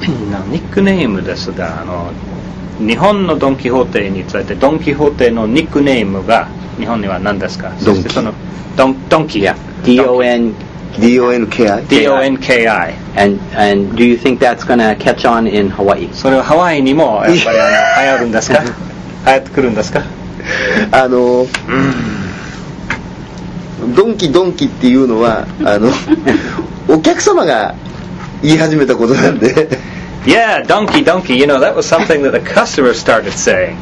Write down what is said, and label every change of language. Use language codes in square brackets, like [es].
[en] No nickname [ja] ですが、あの日本のドンキホーテについて、ドンキホーテのニックネームが日本には何ですか？ドンキ。そのドンキ。 [en] Yeah. D-O-N-K-I. And do you think that's going to catch on in Hawaii? [ja] それはハワイにもやっぱり流行るんですか？流行ってくるんですか？あの、ドンキドンキっていうのは、あの、お客様が言い始めたことなんで、 [en] Yeah, donkey, donkey. You know, that was something that the customer started saying.